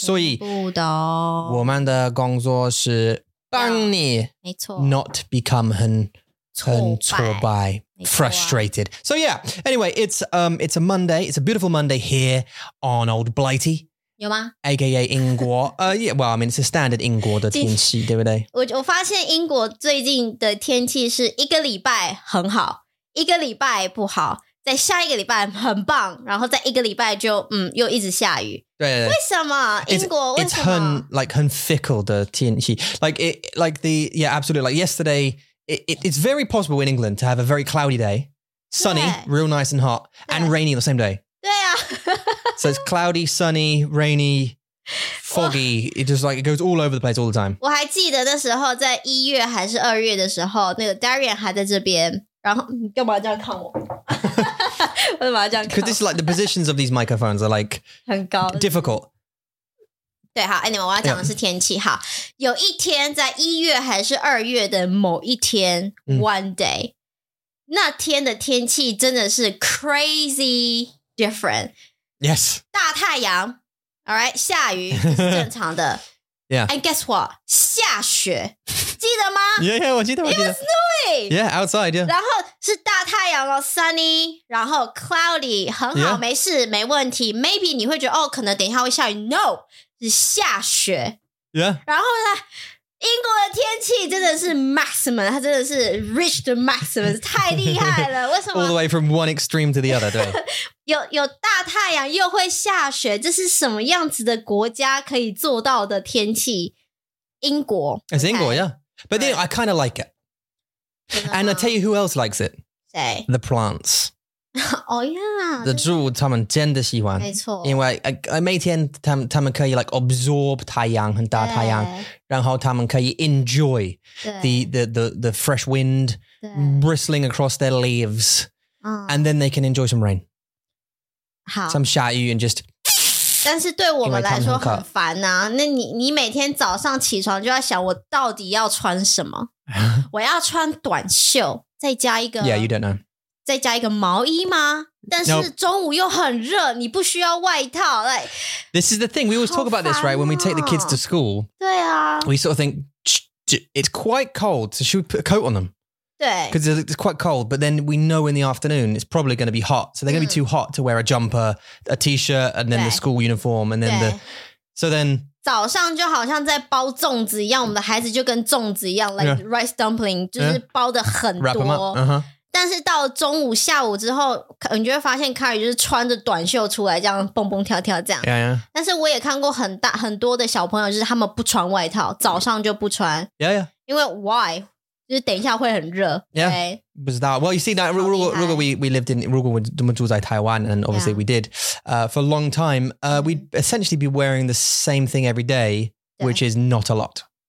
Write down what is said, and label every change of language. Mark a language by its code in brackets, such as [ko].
[zh] 所以我们的工作是帮你 yeah, 没错 [en] not become [zh] 很挫败 [en] frustrated. [zh] 没错啊。 [en] So yeah, anyway, it's a Monday. It's a beautiful Monday here on Old Blighty. [zh] 有吗 [en] ?AKA 英国yeah, well, I mean, it's a standard [zh] 英国的天气对不对我发现英国最近的天气是一个礼拜很好一个礼拜不好在下一个礼拜很棒然后在一个礼拜就又一直下雨。对, 对, 对。为什么英国 [en] it's, [zh] 为什么 it's 很, like, 很 [en] fickle [zh] 的天气。 [en] Like, it, like the, yeah, absolutely, like yesterday, it's very possible in England to have a very cloudy day, sunny, real nice and hot, and rainy the same day. So it's cloudy, sunny, rainy, foggy. It just like, it goes all over the place all the time. [zh] 我还记得那时候在一月还是二月的时候那个 Darian 还在这边然后你干嘛这样看我我干嘛这样看 [en] Because this is like the positions of these microphones are like [zh] 很高 [en] difficult. [zh] 对好 anyway 我要讲的是天气、yeah. 好有一天在一月还是二月的某一天、one day 那天的天气真的是 [en] crazy different. Yes. [zh] 大太阳 [en] all right, [zh] 下雨是正常的。 [en] yeah. And guess what? [zh] 下雪记得吗 yeah, yeah, 我记得我记得。 [en] It was snowing! Yeah, outside, yeah. [zh] 然后是大太阳哦 sunny, 然后 cloudy, 很好、yeah. 没事没问题。 Maybe 你会觉得哦可能等一下会下雨。No, 是下雪。 [en] Yeah. [zh] 然后呢英国的天气真的是 maximum, 它真的是 [en] reached the maximum, [zh] 太厉害了为什么 [en] All the way from one extreme to the other, 对。 [zh] 有大太阳又会下雪这是什么样子的国家可以做到的天气英国 [en] It's okay. 英国 yeah But then I kind of like it And I tell you who else likes it [zh] 谁 [en] The plants Oh yeah [zh] The 植物他们真的喜欢没错因为每天他们可以 [en] like absorb [zh] 太阳很大太阳然后他们可以 [en] enjoy the fresh wind bristling across their leaves、And then they can enjoy some rain [zh] 好 [en] some [zh] 下雨 [en] and just [zh] 但是对我们来说很烦啊，那你每天早上起床就要想我到底要穿什么，我要穿短袖再加一个 [en] Yeah, you don't know. [zh] 再加一个毛衣吗？但是中午又很热，你不需要外套。 [en] Like, This is the thing, we always talk about this, right? When we take the kids to school, [zh] 对啊， [en] we sort of think, it's quite cold, so should we put a coat on them? [zh] 对。 [en] Because it's quite cold, but then we know in the afternoon, it's probably going to be hot. So they're going to be too hot to wear a jumper, a t-shirt, and then the school uniform, and then the... So then... [zh] 早上就好像在包粽子一样，我们的孩子就跟粽子一样 , [en] like rice dumpling, [zh] 就是包得很多。 [en] Wrap them up, uh-huh. [zh] 但是到中午下午之后，你就会发现 Carrie 就是穿着短袖出来，这样蹦蹦跳跳这样。 [en] Yeah, yeah. [zh] 但是我也看过很多的小朋友，就是他们不穿外套，早上就不穿。 [en] Yeah, yeah. [zh] 因为 [en] why？ [zh] 就是等一下会很热。 [en] Yeah. [zh] 不知道。 [en] Well, you see that 如果 we lived in [zh] 如果我们住在台湾 [en] ，and obviously we did, for a long time, we'd essentially be wearing the same thing every day, which is not a lot.